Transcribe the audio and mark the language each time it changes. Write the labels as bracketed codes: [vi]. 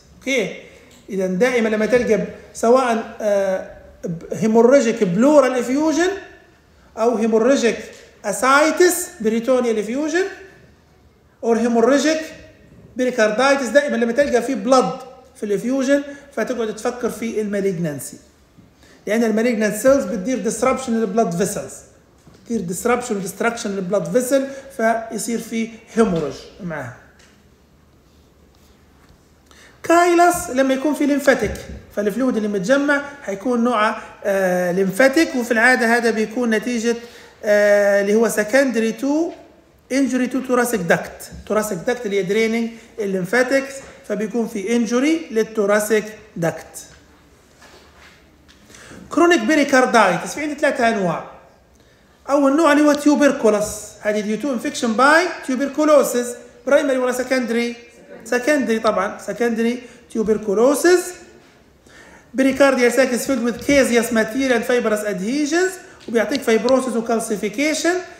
[ar] اوكي، اذا دائما لما تلقى سواء هيموراجيك بلورال افيوجن او هيموراجيك اسايتس بريتونيال افيوجن او هيموراجيك بيريكارديتس، دائما لما تلقى في بلد في الافيوجن فتقعد تفكر في المالجننسي، لأن المالجنان سيلز بتدير disruption للبلد فيسلز، بتدير disruption destruction للبلد فيسل، فيصير في هيموراج معها. كايلس لما يكون في لينفاتيك، فالفلويد اللي متجمع هيكون نوعه لينفاتيك، وفي العادة هذا بيكون نتيجة اللي هو [en] secondary to injury to thoracic duct. thoracic duct [ar] اللي هي [en] draining lymphatics، [ar] فبيكون في [en] injury للthoracic duct. [ar] كرونيك بيريكاردايتس في عندي ثلاثة أنواع. أول نوع اللي هو تيوبركولوس، هذه ديو تو انفكشن باي تيوبركولوسيس، برايمري ولا سكندري؟ سكندري طبعا، سكندري تيوبركولوسيس. [en] Pericardial sacs filled with caseous material and fibrous adhesions, وبيعطيك fibrosis وكالسيفيكيشن.